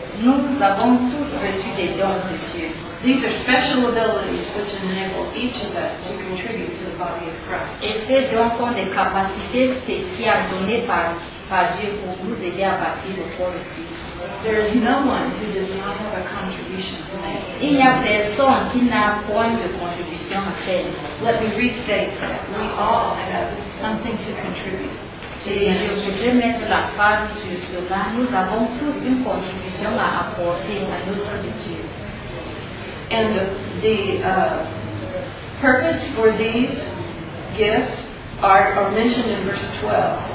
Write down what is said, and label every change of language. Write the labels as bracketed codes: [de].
[fr] Nous avons tous reçu des dons de Dieu. [en] These are special abilities which enable each of us to contribute to the body of Christ. [fr] Et ces dons sont des capacités spéciales données par Dieu pour nous aider à bâtir le corps de Christ. [en] There is no one who does not have a contribution to make. [fr] Il n'y a personne qui n'a point de contribution à faire. [en] Let me restate that we all have something to contribute. [fr] Et je voudrais mettre la phrase sur cela. Nous avons tous une contribution à apporter à notre Dieu. [en] And the purpose for these gifts are mentioned in verse 12.